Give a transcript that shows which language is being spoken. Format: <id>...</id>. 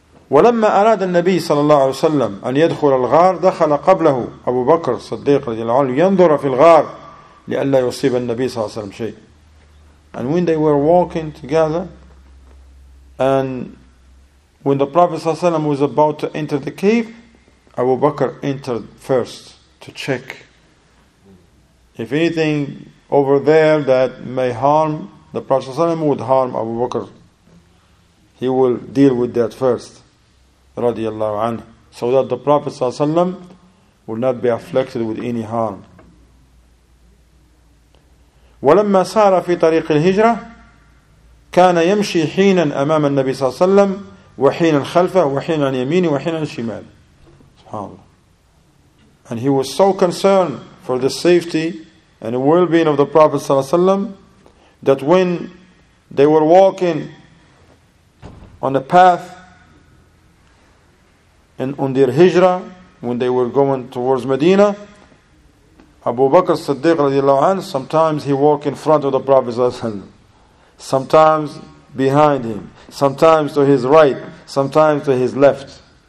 <ar>ولما أراد النبي صلى الله عليه وسلم أن يدخل الغار دخل قبله أبو بكر الصديق رضي الله عنه ينظر في الغار لئلا يصيب النبي صلى الله عليه وسلم شيء.</ar> <en>And when they were walking together, and when the Prophet</en> <ar>صلى الله عليه وسلم</ar> <en>was about to enter the cave, Abu Bakr entered first to check if anything over there that may harm the Prophet صلى الله عليه وسلم would harm Abu Bakr. He will deal with that first. Radiallahu anhu, so that the Prophet will not be afflicted with any harm.</en> <ar>ولما سار في طريق الهجرة كان يمشي حينا أمام النبي صلى الله عليه وسلم وحينا خلفه وحينا عن يمينه وحينا عن شماله. SubhanAllah.</ar> <en>And he was so concerned for the safety and the well-being of the Prophet</en> <ar>صلى الله عليه وسلم</ar> <en>that when they were walking on a path and on their hijrah, when they were going towards Medina, Abu Bakr Siddiq radiallahu anhu, sometimes he walk in front of the Prophet, sometimes behind him, sometimes to his right, sometimes to his left.</en>